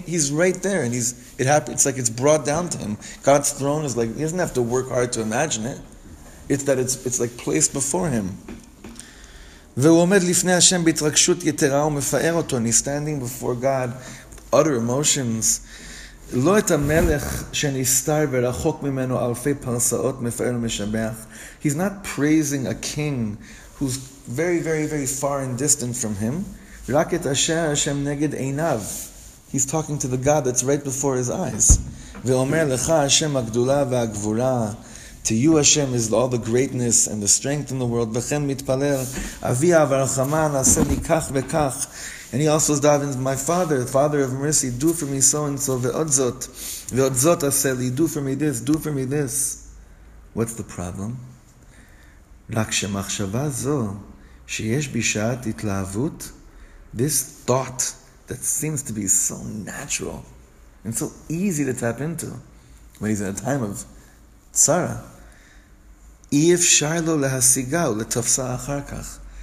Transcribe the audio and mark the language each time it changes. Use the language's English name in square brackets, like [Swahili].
[English] He's right there, and it's like it's brought down to him. God's throne is like, he doesn't have to work hard to imagine it. It's that it's like placed before him. And he's standing before God with utter emotions. [Hebrew] לא את המלך שנסתר ורחוק ממנו אלפי פרסאות מפאר ומשבח. [English] He's not praising a king who's very, very, very far and distant from him. [Hebrew] רק את אשר השם נגד עיניו. [English] He's talking to the God that's right before his eyes. [Hebrew] ואומר לך השם הגדולה והגבורה, [English] to you Hashem is all the greatness and the strength in the world. [Hebrew] וכן מתפלל, אבי הרחמה נעשה לי כך וכך. [English] And he also davens, my father, father of mercy, do for me so and so, [Hebrew] ve'odzot aseli, [English] do for me this. What's the problem? [Hebrew] Rak she'machshava zo, she'yesh bishat itla'avut, [English] this thought that seems to be so natural and so easy to tap into when he's in a time of tzara, if [Hebrew] shaylo lehasigau letofsa achar kach.